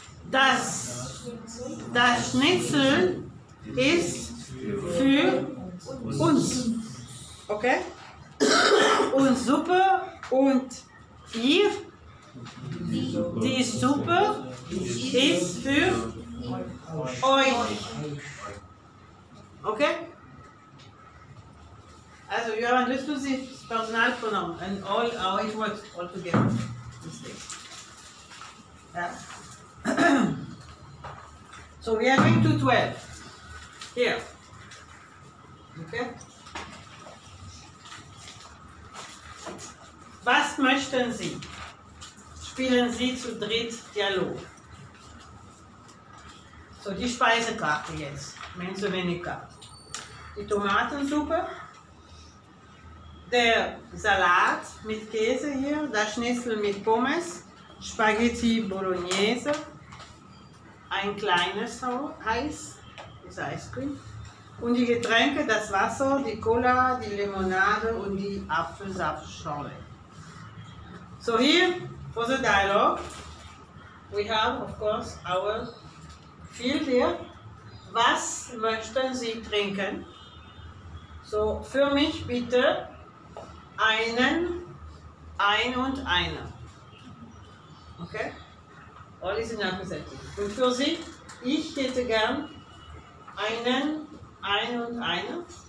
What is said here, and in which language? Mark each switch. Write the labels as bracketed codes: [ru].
[de] Das Schnitzel ist für uns. Okay? Und Suppe und ihr, die Suppe ist für euch. Okay? [en] Also, you have an exclusive personal pronoun and all how it works all together. So we are going to 12. Here. Okay? [de] Was möchten Sie? Spielen Sie zu dritt Dialog. So, die Speisekarte jetzt. Mensa Venica. Die Tomatensuppe. Der Salat mit Käse hier. Das Schnitzel mit Pommes. Spaghetti Bolognese. Ein kleines Eis. Das Ice Cream. Und die Getränke, das Wasser, die Cola, die Limonade und die Apfelsaftschorle. [en] So here, for the dialogue, we have, of course, our field here. [de] Was möchten Sie trinken? So, für mich bitte einen, ein und eine. Okay? [en] All is in accusative. [de] Und für Sie, ich hätte gern einen, ein und eine.